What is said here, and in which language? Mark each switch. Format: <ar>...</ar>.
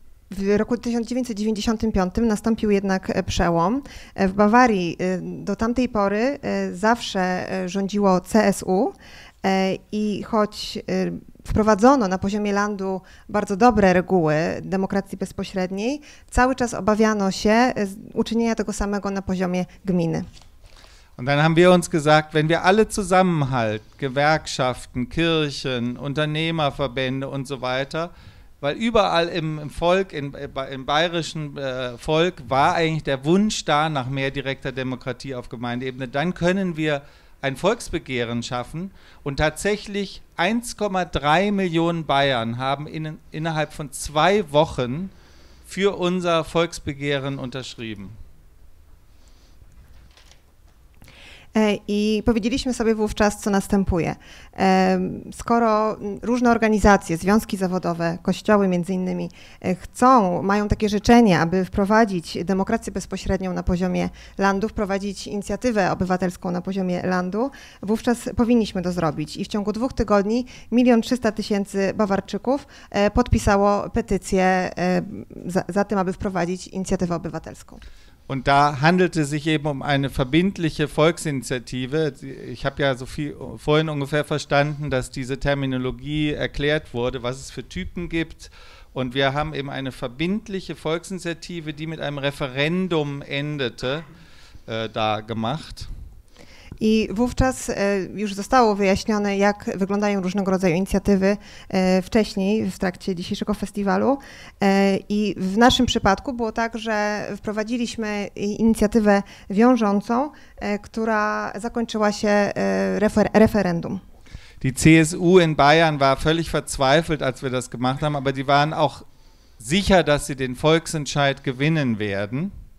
<pl>W roku 1995 nastąpił jednak przełom. W Bawarii do tamtej pory zawsze rządziło CSU i choć wprowadzono na poziomie landu bardzo dobre reguły demokracji bezpośredniej, cały czas obawiano się uczynienia tego samego na poziomie gminy.</pl> <de>Und dann haben wir uns gesagt, wenn wir alle zusammenhalten, Gewerkschaften, Kirchen, Unternehmerverbände und so weiter, weil überall im Volk, im bayerischen Volk war eigentlich der Wunsch da nach mehr direkter Demokratie auf Gemeindeebene, dann können wir ein Volksbegehren schaffen und tatsächlich 1,3 Millionen Bayern haben innerhalb von 2 Wochen für unser Volksbegehren unterschrieben.</de> <pl>I powiedzieliśmy sobie wówczas, co następuje. Skoro różne organizacje, związki zawodowe, kościoły między innymi chcą, mają takie życzenie, aby wprowadzić demokrację bezpośrednią na poziomie landu, wprowadzić inicjatywę obywatelską na poziomie landu, wówczas powinniśmy to zrobić. I w ciągu 2 tygodni 1 300 000 Bawarczyków podpisało petycję za tym, aby wprowadzić inicjatywę obywatelską.</pl> <de>Und da handelte es sich eben um eine verbindliche Volksinitiative. Ich habe ja so viel vorhin ungefähr verstanden, dass diese Terminologie erklärt wurde, was es für Typen gibt. Und wir haben eben eine verbindliche Volksinitiative, die mit einem Referendum endete, da gemacht.</de> <pl>I wówczas już zostało wyjaśnione, jak wyglądają różnego rodzaju inicjatywy wcześniej, w trakcie dzisiejszego festiwalu. I w naszym przypadku było tak, że wprowadziliśmy inicjatywę wiążącą, która zakończyła się referendum.</pl> <de>Die CSU in Bayern war völlig verzweifelt, als wir das gemacht haben, aber die waren auch sicher, dass sie den Volksentscheid gewinnen werden.</de>